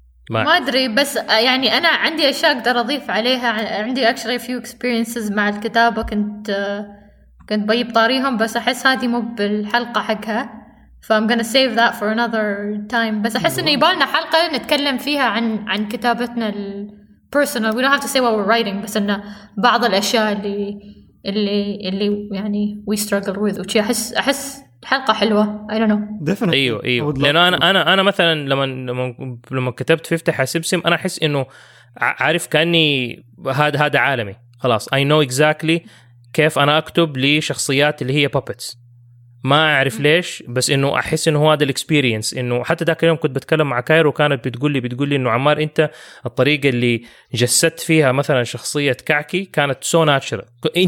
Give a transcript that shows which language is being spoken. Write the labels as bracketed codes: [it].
[ar] ما أدري, بس يعني أنا عندي أشياء أقدر أضيف عليها. عندي [en] actually few experiences [ar] مع الكتابة كنت بجيب طاريهم, بس أحس هذه مو بالحلقة حقها, فا [en] I'm gonna save that for another time. [ar] بس أحس إن يبالنا حلقة نتكلم فيها عن كتابتنا ال personal. [en] We don't have to say what we're writing, [ar] بس إن بعض الأشياء اللي يعني [en] we struggle with, [ar] وشي أحس حلقة حلوة. [en] I don't know. Definitely. [ar] أيوة. لأن أنا مثلاً لما كتبت فيفتح حسبسم أنا أحس إنه عارف كأني هذا عالمي خلاص. [en] I know exactly [ar] كيف أنا أكتب لشخصيات اللي هي puppets. ما أعرف ليش, بس إنه أحس إنه هو هذا الإكسبرينس. إنه حتى ذاك اليوم كنت بتكلم مع كايرو كانت بتقولي إنه عمار أنت الطريقة اللي جسدت فيها مثلاً شخصية كعكي كانت [en] so natural.